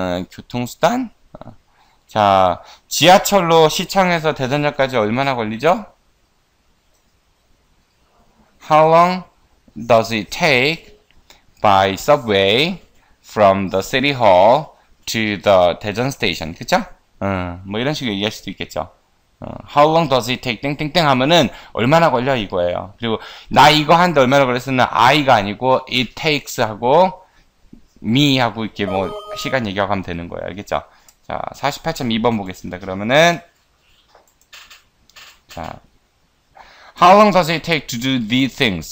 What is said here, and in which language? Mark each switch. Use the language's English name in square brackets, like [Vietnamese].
[Korean] 교통수단? 자, 지하철로 시청에서 대전역까지 얼마나 걸리죠? [English] How long does it take by subway from the city hall to the 대전 station? [Korean] 그쵸? 뭐 이런 식으로 얘기할 수도 있겠죠. [English] How long does it take? [Korean] 땡땡땡 하면은 얼마나 걸려 이거예요. 그리고 나 이거 하는데 얼마나 걸렸으면 I가 아니고 it takes 하고 me 하고 이렇게 뭐 시간 얘기하고 하면 되는 거예요. 알겠죠? 자, 48.2번 보겠습니다. 그러면은 자, [English] How long does it take to do these things?